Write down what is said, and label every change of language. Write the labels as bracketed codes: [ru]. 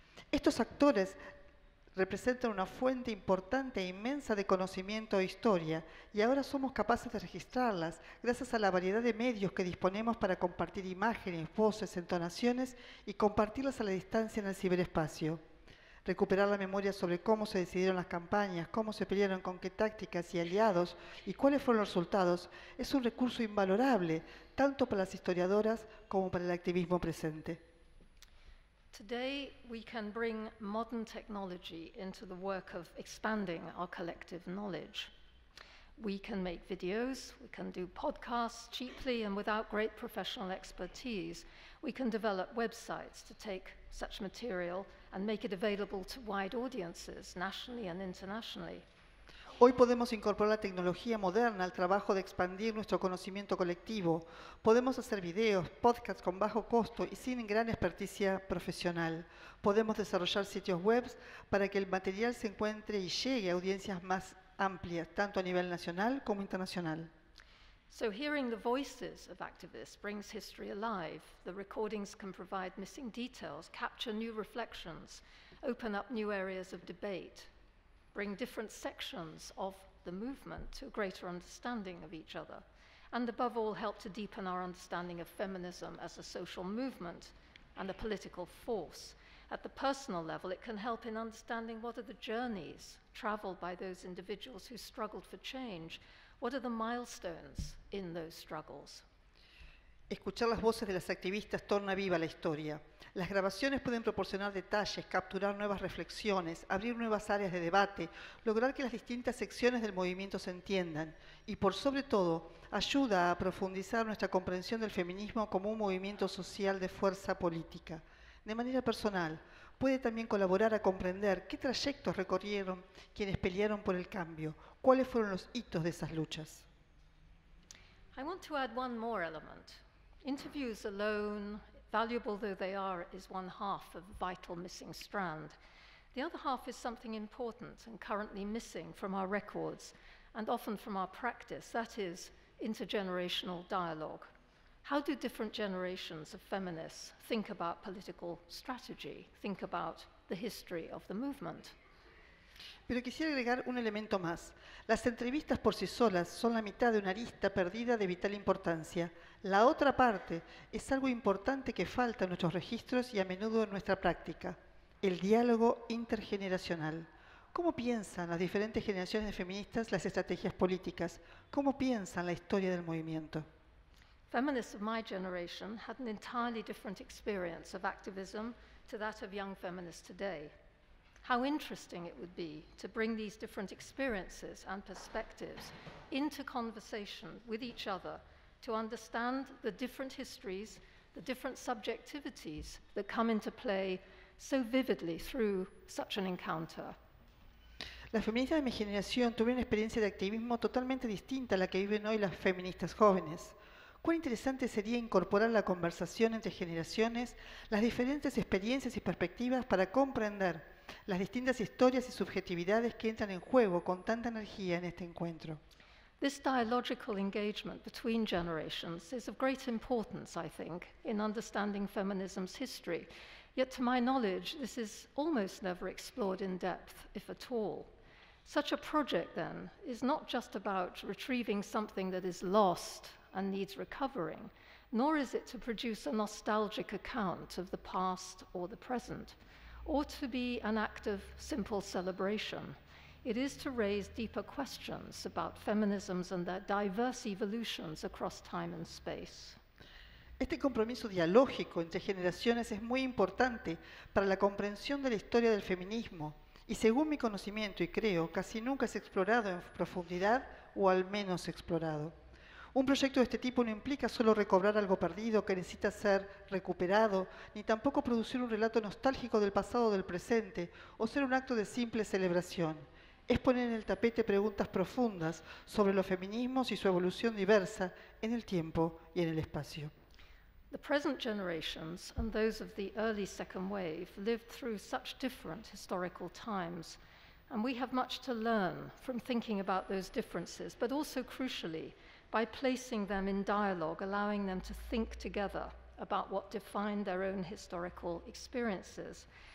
[es] Estos actores representan una fuente importante e inmensa de conocimiento e historia, y ahora somos capaces de registrarlas gracias a la variedad de medios que disponemos para compartir imágenes, voces, entonaciones y compartirlas a la distancia en el ciberespacio. Recuperar la memoria sobre cómo se decidieron las campañas, cómo se pelearon, con qué tácticas y aliados y cuáles fueron los resultados, es un recurso invalorable tanto para las historiadoras como para el activismo presente. [en] Today we can bring modern technology into the work of expanding our collective knowledge. We can make videos, we can do podcasts cheaply and without great professional expertise. We can develop websites to take such material and make it available to wide audiences, nationally and internationally. [es] Hoy podemos incorporar la tecnología moderna al trabajo de expandir nuestro conocimiento colectivo. Podemos hacer videos, podcasts con bajo costo y sin gran experticia profesional. Podemos desarrollar sitios web para que el material se encuentre y llegue a audiencias más amplias, tanto a nivel nacional como internacional. [en] So hearing the voices of activists brings history alive. The recordings can provide missing details, capture new reflections, open up new areas of debate, bring different sections of the movement to a greater understanding of each other, and above all, help to deepen our understanding of feminism as a social movement and a political force. At the personal level, it can help in understanding what are the journeys traveled by those individuals who struggled for change. What are the milestones in those struggles? [es] Escuchar las voces de las activistas torna viva la historia. Las grabaciones pueden proporcionar detalles, capturar nuevas reflexiones, abrir nuevas áreas de debate, lograr que las distintas secciones del movimiento se entiendan. Y por sobre todo, ayuda a profundizar nuestra comprensión del feminismo como un movimiento social de fuerza política. De manera personal, puede también colaborar a comprender qué trayectos recorrieron quienes pelearon por el cambio, cuáles fueron los hitos de esas luchas. [en] I want to add one more element. Interviews alone, valuable though they are, is one half of a vital missing strand. The other half is something important and currently missing from our records and often from our practice, that is, intergenerational dialogue. How do different generations of feminists think about political strategy, think about the history of the movement? [es] Pero quisiera agregar un elemento más. Las entrevistas por sí solas son la mitad de una arista perdida de vital importancia. La otra parte es algo importante que falta en nuestros registros y a menudo en nuestra práctica, el diálogo intergeneracional. ¿Cómo piensan las diferentes generaciones de feministas las estrategias políticas? ¿Cómo piensan la historia del movimiento? [en] Feminists of my generation had an entirely different experience of activism to that of young feminists today. How interesting it would be to bring these different experiences and perspectives into conversation with each other to understand the different histories, the different subjectivities that come into play so vividly through such an encounter. [es] Las feministas de mi generación tuvieron una experiencia de activismo totalmente distinta a la que viven hoy las feministas jóvenes. ¿Cuán interesante sería incorporar la conversación entre generaciones, las diferentes experiencias y perspectivas para comprender las distintas historias y subjetividades que entran en juego con tanta energía en este encuentro? [en] This dialogical engagement between generations is of great importance, I think, in understanding feminism's history. Yet, to my knowledge, this is almost never explored in depth, if at all. Such a project, then, is not just about retrieving something that is lost and needs recovering, nor is it to produce a nostalgic account of the past or the present, or to be an act of simple celebration. It is to raise deeper questions about feminisms and their diverse evolutions across time and space. [es] Este compromiso dialógico entre generaciones es muy importante para la comprensión de la historia del feminismo, y según mi conocimiento y creo, casi nunca es explorado en profundidad o al menos explorado. Un proyecto de este tipo no implica solo recobrar algo perdido que necesita ser recuperado, ni tampoco producir un relato nostálgico del pasado o del presente, o ser un acto de simple celebración. Es poner en el tapete preguntas profundas sobre los feminismos y su evolución diversa en el tiempo y en el espacio. [en] The present generations and those of the early second wave lived through such different historical times, and we have much to learn from thinking about those differences, but also crucially, by placing them in dialogue, allowing them to think together about what defined their own historical experiences.